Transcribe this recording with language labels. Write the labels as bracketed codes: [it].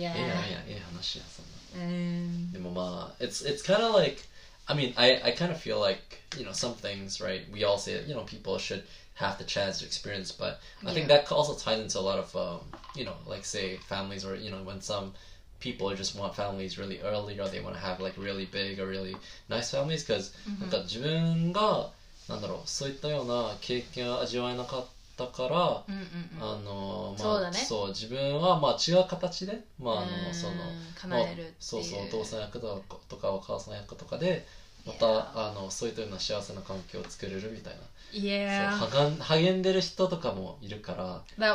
[ja] やいや、いい話や、そんな。でもまあ、 [en] it's kind of like, I mean, I kind of feel like, you know, some things, right, we all say, you know, people should have the chance to experience, but I think that also ties into a lot of, you know, like say, families, or, you know, when some people just want families really early, or they want to have like really big or really nice families, because [ja] なんか自分が、なんだろう、そういったような経験を味わえなかった、だから、あの、まあ、そうだね、そう、自分はまあ違う形で、まあ、あの、その、叶えるっていう、そうそう、お父さん役とかお母さん役とかで、また、あの、そういったような幸せな環境を作れるみたいな。 [en] Yeah. [ja] 励んでる人とかもいるから。